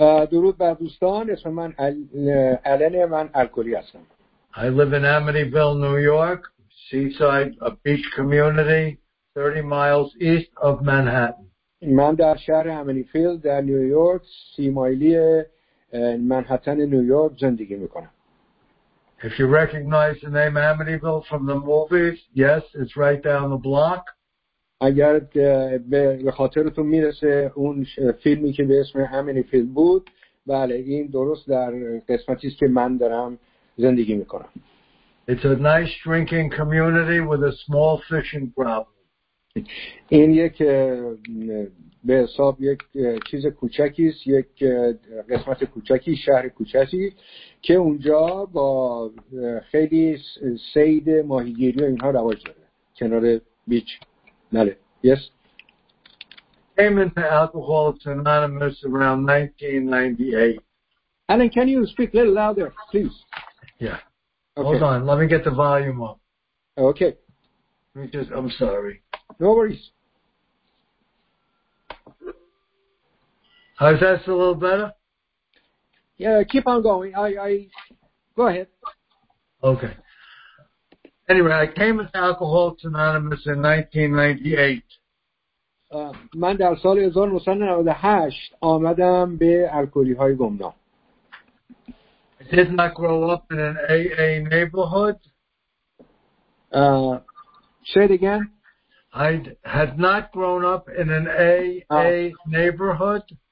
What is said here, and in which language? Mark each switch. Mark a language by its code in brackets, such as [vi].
[fa] درود بر دوستان، اسم من آلن، من الکلی هستم. [en] I live in Amityville, New York, seaside, a beach community. 30 miles east of Manhattan. [fa] من در شهر امنیفیلد در نیویورک 30 مایلی منهتن نیویورک زندگی میکنم. [en] If you recognize the name Amityville from the movies, yes, it's right down the block. [fa] اگر به خاطرتون میرسه اون فیلمی که به اسم امنیفیلد بود، بله این درست در قسمتی است که من دارم زندگی میکنم. [en] It's a nice drinking community with a small fishing problem. [fa] این یک به حساب یک چیز کوچکی است، یک قسمت کوچکی، شهر کوچکی که اونجا با خیلی صید ماهیگیری و اینها رواج داره کنار بیچ. بله. [en] Yes. Came into Alcoholics Anonymous around 1998. Alan, can you speak a little louder, please? Yeah. Okay. Hold on. Let me get the volume up. Okay. I'm sorry. No worries. How's that a little better? Yeah, keep on going. I go ahead. Okay. Anyway, I came into Alcoholics Anonymous in 1998. [fa] من در سال 1998 آمدم به الکلی‌های گمنام. [en] I did not grow up in an AA neighborhood. Say it again. I had not grown up in an AA neighborhood.